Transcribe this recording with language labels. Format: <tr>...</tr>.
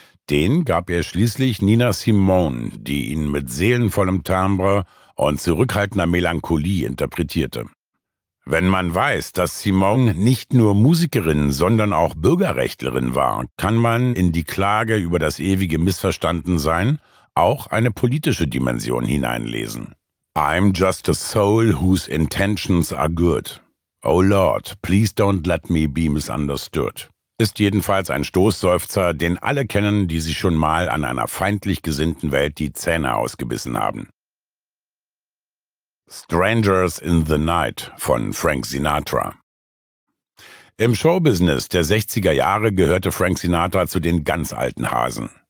<de>Den gab er schließlich Nina Simone, die ihn mit seelenvollem Timbre und zurückhaltender Melancholie interpretierte. Wenn man weiß, dass Simone nicht nur Musikerin, sondern auch Bürgerrechtlerin war, kann man in die Klage über das ewige Missverstandensein auch eine politische Dimension hineinlesen.</de> <en>I'm just a soul whose intentions are good. Oh Lord, please don't let me be misunderstood.</en> <de>Ist jedenfalls ein Stoßseufzer, den alle kennen, die sich schon mal an einer feindlich gesinnten Welt die Zähne ausgebissen haben. Strangers in the Night von Frank Sinatra. Im Showbusiness der 60er Jahre gehörte Frank Sinatra zu den ganz alten Hasen.</de>